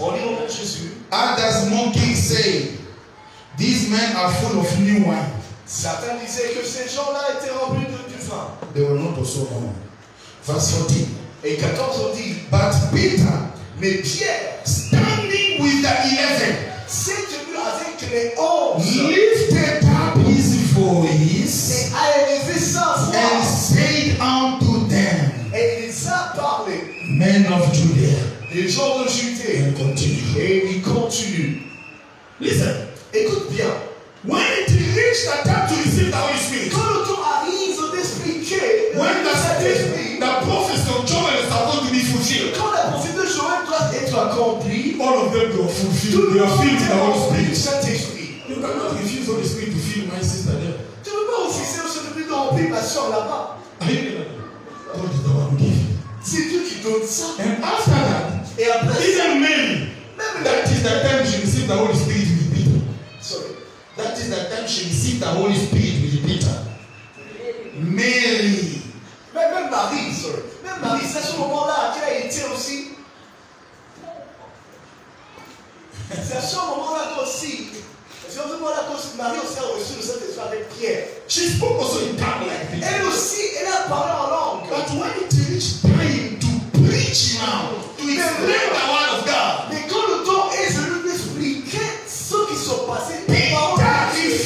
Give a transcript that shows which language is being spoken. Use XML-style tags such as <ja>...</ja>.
<en>And as mocking say, these men are full of new wine.</en> <fr>Certains disaient que ces gens-là étaient remplis de du vin.</fr> <en>They were not also wrong. Verse 14.</en> <fr>Et 14 dit,</fr> <en>but Peter,</en> <fr>mais Pierre,</fr> <en>standing with the 11,</en> <fr>s'est tenu avec les 11,</fr> <en>lifted up his voice,</en> <fr>et a élevé sa voix,</fr> <en>and said unto them,</en> <fr>et il les a parlé,</fr> <en>men of Judea,</en> <fr>les gens de Judée,</fr> <en>and continue.</en> <fr>Et il continue.</fr> <en>Listen,</en> <fr>écoute bien.</fr> <en>When it reached the time to receive the Holy Spirit,</en> <fr>quand le temps arrive de l'Esprit,</fr> <en>when the prophecy of Joel is about to be fulfilled,</en> <fr>quand la prophétie de Joël doit être accomplie,</fr> <en>all of them are fulfilled. They are filled with the Holy Spirit.</en> <fr>Saint-Esprit.</fr> <en>You cannot refuse the Holy Spirit to fill my sister there.</en> <fr>Tu ne peux pas refuser aussi de lui remplir ma soeur là-bas.</fr> <en>God is the one giving.</en> <fr>C'est Dieu qui donne ça.</fr> <en>And after that,</en> <fr>et après,</fr> <en>even Mary, that is the time she received the Holy Spirit with Peter. Sorry. That is the time she received the Holy Spirit with Peter. Mary.</en> <fr>Même Marie, sorry. Même Marie, c'est à ce moment-là qu'elle a été aussi. C'est à ce moment-là qu'aussi. C'est à ce moment-là qu'aussi Marie aussi a reçu le Saint-Esprit avec Pierre.</fr> <en>She spoke also in tongues like</en> <fr>this. Elle aussi, elle a parlé en langue.</fr> <en>But when it reached time to preach now, to explain the word of God,</en> <fr>mais quand le temps est celui d'expliquer ce qui s'est passé,</fr>